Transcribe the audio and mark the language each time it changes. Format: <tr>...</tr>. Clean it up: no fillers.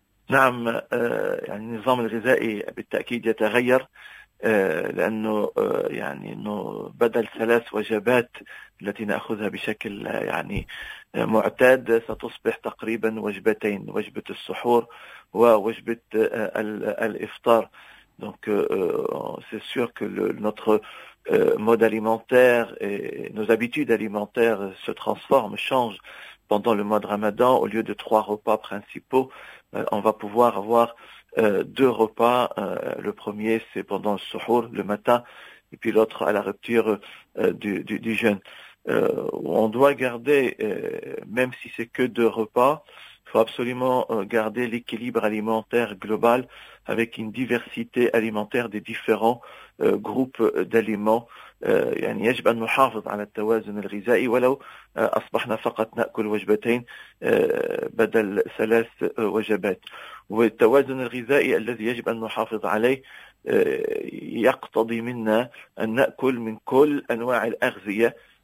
<ar>نعم، يعني النظام الغذائي بالتأكيد يتغير، لأنه يعني أنه بدل ثلاث وجبات التي نأخذها بشكل يعني معتاد ستصبح تقريبا وجبتين، وجبة السحور ووجبة الإفطار.</ar> <fr>Donc c'est sûr que notre mode alimentaire et nos habitudes alimentaires se transforment, changent pendant le mois de Ramadan. Au lieu de trois repas principaux, on va pouvoir avoir deux repas. Le premier, c'est pendant le suhoor, le matin, et puis l'autre à la rupture du jeûne. On doit garder, même si c'est que deux repas, il faut absolument garder l'équilibre alimentaire global avec une diversité alimentaire des différents groupes d'aliments.</fr> <ar>يعني يجب أن نحافظ على التوازن الغذائي ولو أصبحنا فقط نأكل وجبتين بدل ثلاث وجبات. والتوازن الغذائي الذي يجب أن نحافظ عليه يقتضي منا أن نأكل من كل أنواع الأغذية،</ar>